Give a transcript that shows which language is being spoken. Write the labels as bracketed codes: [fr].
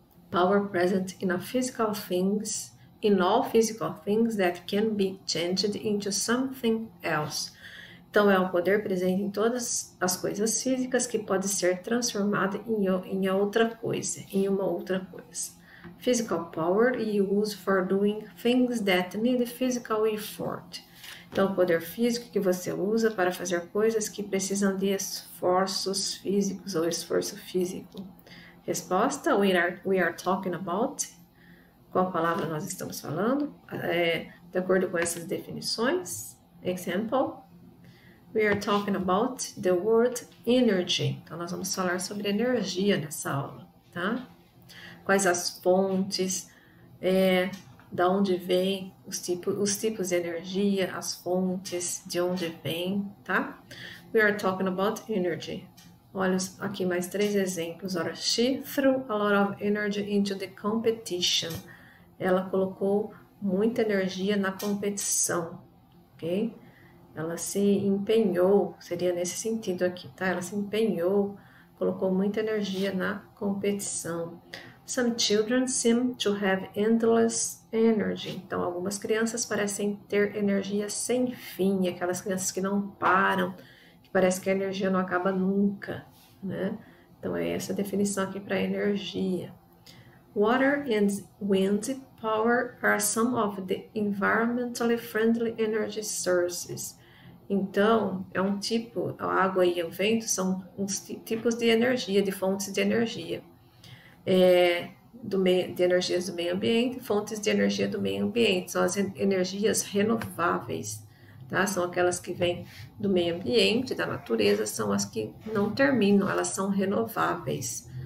[en] Power present in a physical things. In all physical things that can be changed into something else. [pt] Então, é um poder presente em todas as coisas físicas que pode ser transformado em outra coisa, em uma outra coisa. [en] Physical power you use for doing things that need physical effort. [pt] Então, o poder físico que você usa para fazer coisas que precisam de esforços físicos ou esforço físico. Resposta: [en] we are talking about. [pt] Qual palavra nós estamos falando? De acordo com essas definições. [en] Example. We are talking about the word energy. [pt] Então, nós vamos falar sobre energia nessa aula, tá? Quais as fontes, da onde vem os tipos de energia, as fontes, de onde vem, tá? [en] We are talking about energy. [pt] Olha aqui mais três exemplos. [en] Ora, she threw a lot of energy into the competition. [pt] Ela colocou muita energia na competição, ok? Ela se empenhou, seria nesse sentido aqui, tá? Ela se empenhou, colocou muita energia na competição. [en] Some children seem to have endless energy. [pt] Então, algumas crianças parecem ter energia sem fim, aquelas crianças que não param, que parece que a energia não acaba nunca, né? Então, é essa definição aqui para energia. [en] Water and wind power are some of the environmentally friendly energy sources. [pt] Então, é um tipo, a água e o vento são uns tipos de energia, de fontes de energia, de energias do meio ambiente, fontes de energia do meio ambiente, são as energias renováveis, tá? São aquelas que vêm do meio ambiente, da natureza, são as que não terminam, elas são renováveis.